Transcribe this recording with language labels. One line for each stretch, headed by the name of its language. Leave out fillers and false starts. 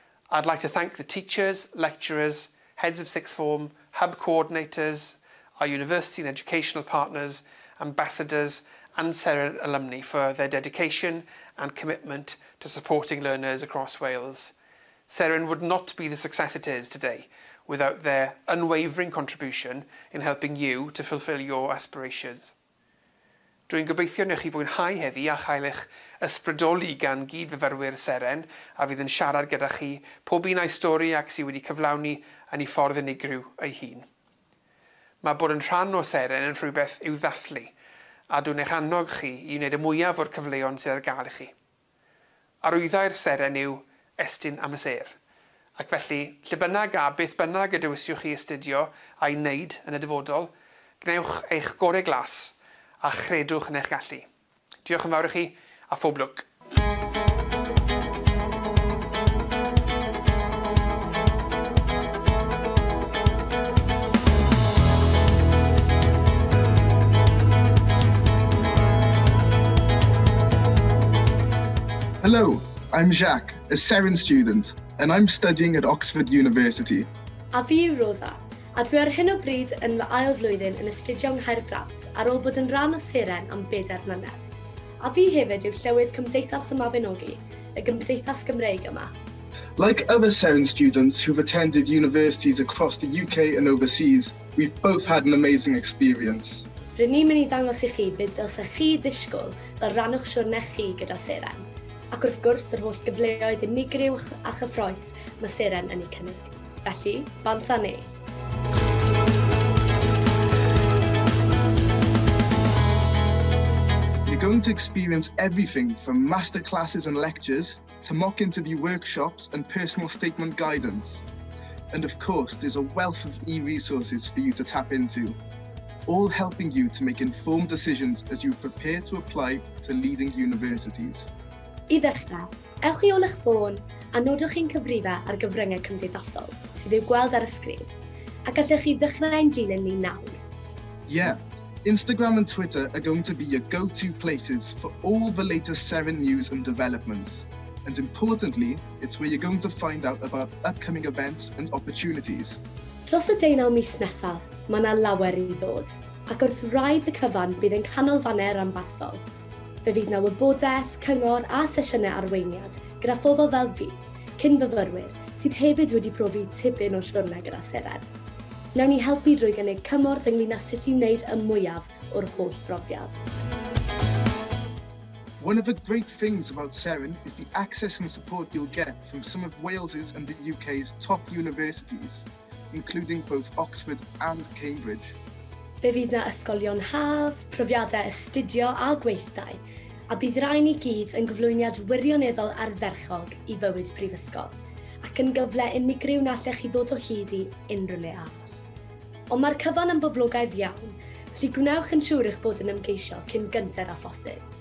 English: I'd like to thank the teachers, lecturers, heads of sixth form, hub coordinators, our university and educational partners, ambassadors, and Seren alumni for their dedication and commitment to supporting learners across Wales. Seren would not be the success it is today without their unwavering contribution in helping you to fulfil your aspirations.
Welsh: Dwi'n gobeithio newch chi fwynhau heddi a chael eich ysbrydoli gan gydfyfyrwyr Seren a fydd yn siarad gyda chi pob un o'u stori ac sydd wedi cyflawni yn ei ffordd unigryw ei hun. Mae bod yn rhan o Seren yn rhywbeth i'w ddathlu a dwi'n eich annog chi i wneud y mwyaf o'r cyfleoedd sydd ar gael i chi. Arwyddau'r Seren yw estyn am y seir, ac felly, lle bynnag a beth bynnag y dewiswch chi astudio a'i wneud yn y dyfodol, gwnewch eich gorau glas a chredwch yn eich gallu. Diolch yn fawr i chi a phob lwc.
English: Hello, I'm Jacques, a Seren student, and I'm studying at Oxford University.
Welsh: A fi yw Rosa, a dwi ar hyn o bryd yn fy ail flwyddyn yn astudio Nghaergrawnt ar ôl bod yn rhan o Seren am 4 mlynedd. A fi hefyd yw llywydd Cymdeithas y Mabinogi, y Gymdeithas Gymreig yma.
English: Like other Seren students who've attended universities across the UK and overseas, we've both had an amazing experience.
Welsh: Ry'n ni'n mynd i ddangos i chi beth dylsech chi ddisgwyl fel rhan o'ch siwrnau chi gyda Seren. Ac wrth gwrs, yr holl gyfleoedd unigryw a chyffroes mae Seren yn eu cynnig. Felly, bant â ni!
English: You're going to experience everything from masterclasses and lectures to mock interview workshops and personal statement guidance. And of course, there's a wealth of e-resources for you to tap into, all helping you to make informed decisions as you prepare to apply to leading universities.
Welsh: I ddechrau, ewch i ôl eich ffôn a nodwch chi'n cyfrifau ar gyfryngau cymdeithasol sydd i'w gweld ar y sgrin, a gallech chi ddechrau ein dilyn ni nawr.
English: Yeah, Instagram and Twitter are going to be your go-to places for all the latest Seren news and developments. And importantly, it's where you're going to find out about upcoming events and opportunities.
Welsh: Dros y deunaw mis nesaf, mae yna lawer i ddod, ac wrth raidd y cyfan bydd yn canolfannau rhanbarthol. Fe fydd na wybodaeth, cyngor a sesiynau arweiniad gyda phobl fel fi, cyn-fyfyrwyr, sydd hefyd wedi profi tipyn o siwrnau gyda Seren. Nawn ni helpu drwy gynnig cymorth ynglyn â sut i wneud y mwyaf o'r holl brofiad.
English: One of the great things about Seren is the access and support you'll get from some of Wales's and the UK's top universities, including both Oxford and Cambridge.
Welsh: Fe fydd na ysgolion haf, profiadau astudio a gweithdai, a bydd rai ni gyd yn gyflwyniad wirioneddol ardderchog i fywyd prifysgol, ac yn gyfle unigryw na allech chi ddod o hyd i unrhyw le arall. Ond mae'r cyfan yn boblogaidd iawn, felly gwnewch yn siŵr eich bod yn ymgeisio cyn gynted a phosib.